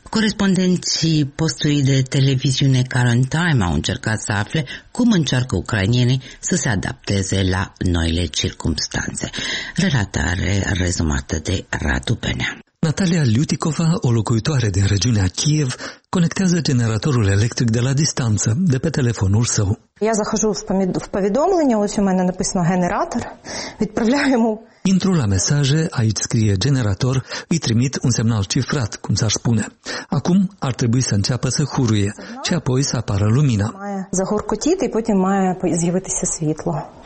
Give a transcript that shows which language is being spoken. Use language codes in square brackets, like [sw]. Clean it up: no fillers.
[ro] Corespondenții postului de televiziune Current Time au încercat să afle cum încearcă ucrainienii să se adapteze la noile circumstanțe. Relatare rezumată de Radu Benea. Natalia Liuticova, o locuitoare din regiunea Kiev, conectează generatorul electric de la distanță, de pe telefonul său. [uk] Я захожу в повідомлення, ось у мене написано генератор, відправляю йому. [ro] Intru la mesaje, aici scrie generator, îi trimit un semnal cifrat, cum s-ar spune. Acum ar trebui să înceapă să huruie și apoi să apară lumina. [uk] Має загуркотіти і потім має з'явитися світло.